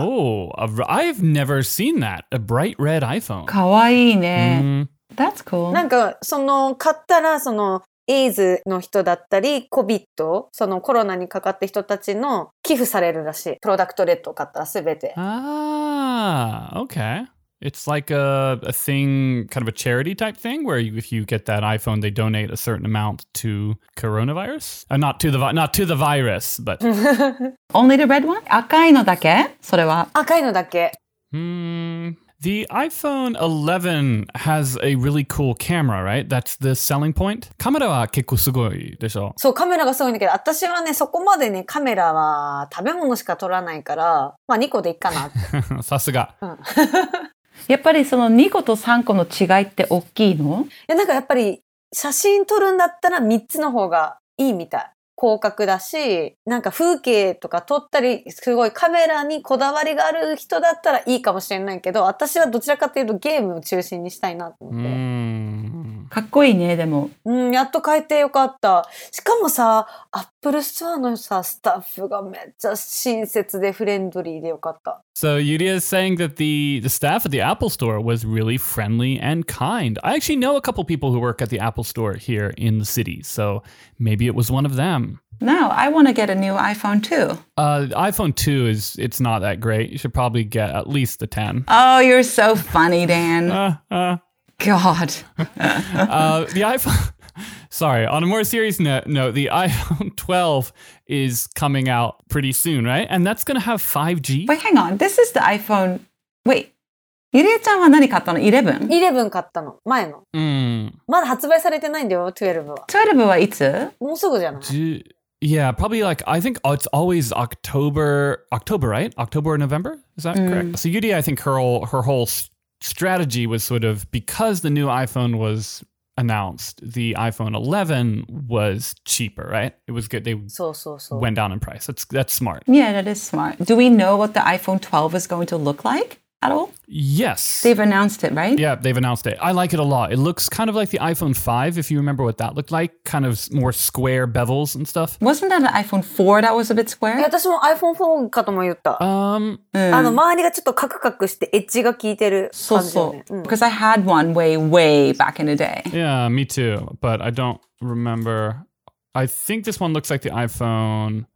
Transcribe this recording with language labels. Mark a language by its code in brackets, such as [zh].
[en] I've never seen that. A bright red iPhone. [ja] かわいいね。 [en] That's cool. [ja] なんか、その、買ったら、その、エイズの人だったり、COVID、そのコロナにかかった人たちの寄付されるらしい。プロダクトレッドを買ったらすべて。 [en] Ah, okay. It's like a thing, kind of a charity type thing, where you, if you get that iPhone, they donate a certain amount to coronavirus. Not to the virus, but... Only the red one? [ja] 赤いのだけ?それは。赤いのだけ。 [en] The iPhone 11 has a really cool camera, right? That's the selling point. [ja] カメラは結構すごいでしょ? そう、カメラがすごいんだけど、私はね、そこまでね、カメラは食べ物しか撮らないから、まあ2個でいいかな。さすが。うん。やっぱりその2個と3個の違いって大きいの? いや、なんかやっぱり写真撮るんだったら3つの方がいいみたい。広角だし、なんか風景とか撮ったり、すごいカメラにこだわりがある人だったらいいかもしれないけど、私はどちらかというとゲームを中心にしたいなと思って。うん。かっこいいね、でも。うん、やっと変えてよかった。しかもさ、アップルストアのさ、スタッフがめっちゃ親切でフレンドリーでよかった。 [en] So, Yuria is saying that the staff at the Apple store was really friendly and kind. I actually know a couple people who work at the Apple store here in the city, so maybe it was one of them. Now, I want to get a new iPhone 2. iPhone 2 it's not that great. You should probably get at least the 10. Oh, you're so funny, Dan. God. on a more serious note, the iPhone 12 is coming out pretty soon, right? And that's going to have 5G. Wait, hang on. This is the iPhone... Wait. [ja] ゆりえちゃんは何買ったの ?11? 11買ったの。前の。まだ発売されてないんだよ、12は。 12はいつ? もうすぐじゃない。 [en] Yeah, probably like, I think it's always October, right? October or November? Is that correct? So Yuri, I think her whole strategy was sort of, because the new iPhone was... announced the iPhone 11 was cheaper, right? It was good. They went down in price. That's smart. Yeah, that is smart. Do we know what the iPhone 12 is going to look like at all? Yes. They've announced it, right? Yeah, they've announced it. I like it a lot. It looks kind of like the iPhone 5, if you remember what that looked like. Kind of more square bevels and stuff. Wasn't that an iPhone 4 that was a bit square? [ja] Yeah, 私も iPhone 4かとも言った。周りがちょっとカクカクしてエッジが効いてる感じよね。そうそう。 [en] Because I had one way, way back in the day. Yeah, me too. But I don't remember. I think this one looks like the iPhone...